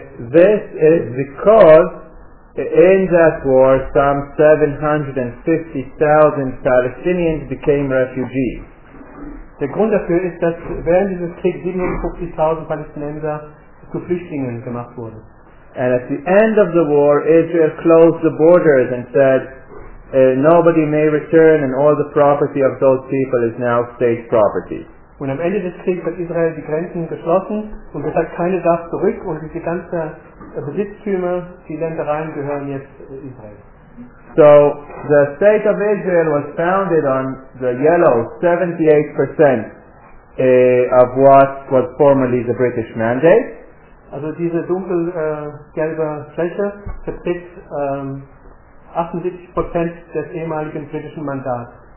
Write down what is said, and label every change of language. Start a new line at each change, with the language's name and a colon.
English: This is because in that war some 750,000 Palestinians became refugees.
German: Der Grund dafür ist, dass während dieses Kriegs 750,000 Palästinenser zu Flüchtlingen gemacht wurden.
English: And at the end of the war, Israel closed the borders and said, nobody may return, and all the property of those people is now state property.
German: Und am Ende des Krieges hat Israel die Grenzen geschlossen und es hat keine darf zurück und diese ganze Besitztümer, die Ländereien gehören jetzt Israel.
English: So the state of Israel was founded on the yellow 78% of what was formerly the British Mandate.
German: Also diese dunkelgelbe Fläche vertritt 78% des ehemaligen britischen Mandats.